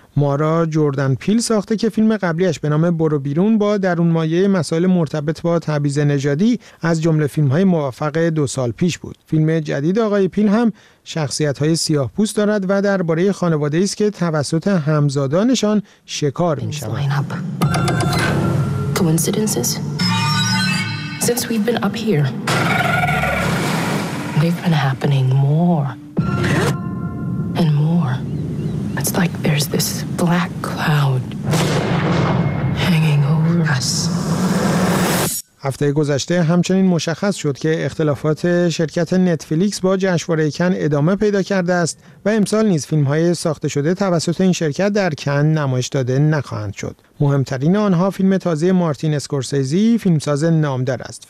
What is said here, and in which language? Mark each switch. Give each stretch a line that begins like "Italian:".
Persian: مارا جردن پیل ساخته که فیلم قبلیش به نام برو بیرون با درون مایه مسائل مرتبط با تبعیض نژادی از جمله فیلم‌های موفق 2 سال پیش بود. فیلم جدید آقای پیل هم شخصیت‌های سیاه‌پوست دارد و درباره خانواده‌ای است که توسط همزادانشان شکار می‌شود.
English: Coincidences? Since we've been up here, they've been happening more and more. It's like there's this black cloud hanging over us.
Persian: هفته گذشته همچنین مشخص شد که اختلافات شرکت نتفلیکس با جشنواره کن ادامه پیدا کرده است و امسال نیز فیلم‌های ساخته شده توسط این شرکت در کن نمایش داده نخواهند شد. مهمترین آنها فیلم تازه مارتین اسکورسیزی، فیلمساز نامدار است.